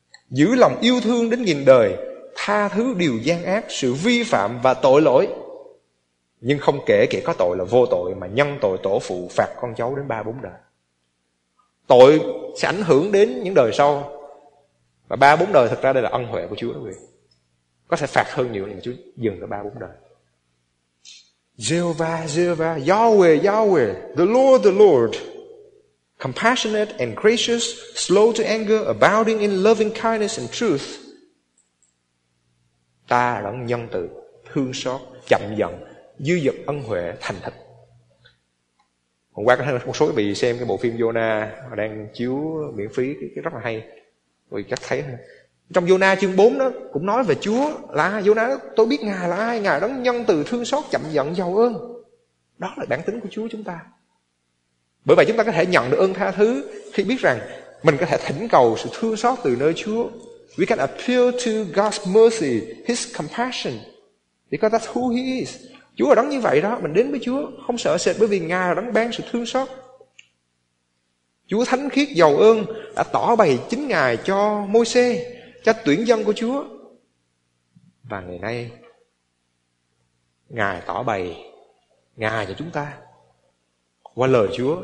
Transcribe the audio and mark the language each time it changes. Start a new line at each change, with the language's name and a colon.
Vietnamese: giữ lòng yêu thương đến nghìn đời, tha thứ điều gian ác, sự vi phạm và tội lỗi, nhưng không kể kẻ có tội là vô tội, mà nhân tội tổ phụ phạt con cháu đến ba bốn đời. Tội sẽ ảnh hưởng đến những đời sau, và ba bốn đời thực ra đây là ân huệ của Chúa đó quý vị, có thể phạt hơn nhiều nhưng Chúa dừng ở ba bốn đời.
English: Jehovah, Jehovah, Yahweh, Yahweh, the Lord, the Lord, compassionate and gracious, slow to anger, abounding in loving kindness and truth.
Vietnamese: Ta đấng nhân từ, thương xót, chậm giận, dư dật ân huệ, thành thật. Hôm qua có thấy một số quý vị xem cái bộ phim Jonah đang chiếu miễn phí, cái rất là hay. Quý vị chắc thấy ha. Trong Jonah chương 4 đó cũng nói về Chúa là Jonah, tôi biết Ngài là ai, Ngài đấng nhân từ, thương xót, chậm giận, giàu ơn. Đó là bản tính của Chúa chúng ta. Bởi vậy chúng ta có thể nhận được ơn tha thứ khi biết rằng mình có thể thỉnh cầu sự thương xót từ nơi Chúa.
English: We can appeal to God's mercy, His compassion, because that's who He is.
Vietnamese: Chúa là đấng như vậy đó, mình đến với Chúa không sợ sệt bởi vì Ngài là đấng ban sự thương xót. Chúa thánh khiết giàu ơn đã tỏ bày chính Ngài cho Môi-se, cho tuyển dân của Chúa. Và ngày nay Ngài tỏ bày Ngài cho chúng ta qua lời Chúa.